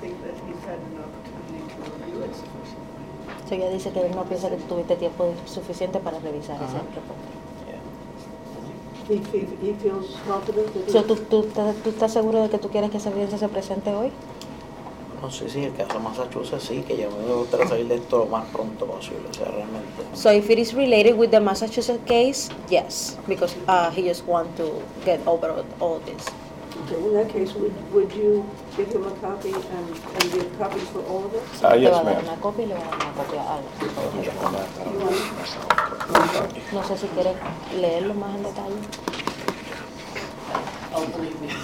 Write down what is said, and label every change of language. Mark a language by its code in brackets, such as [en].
[en] think that he's had an opportunity to review it sufficiently. [es] So ya dice que él no piensa que tuviste tiempo suficiente para revisar ese reporte. [en] He feels confident that. [es] So, ¿tú estás seguro de que tú quieres que esa evidencia se presente hoy? No sé si el caso de Massachusetts sí, que yo me gustaría salir de esto lo más pronto posible, o sea, realmente. [en] So, if it is related with the Massachusetts case, yes, because he just wants to get over all this. Okay, in that case, would you give him a copy and give copies for all of us? Yes, ma'am. [es] Le va a dar una copia y le va a dar una copia a alguien. No sé si quieres leerlo más en detalle.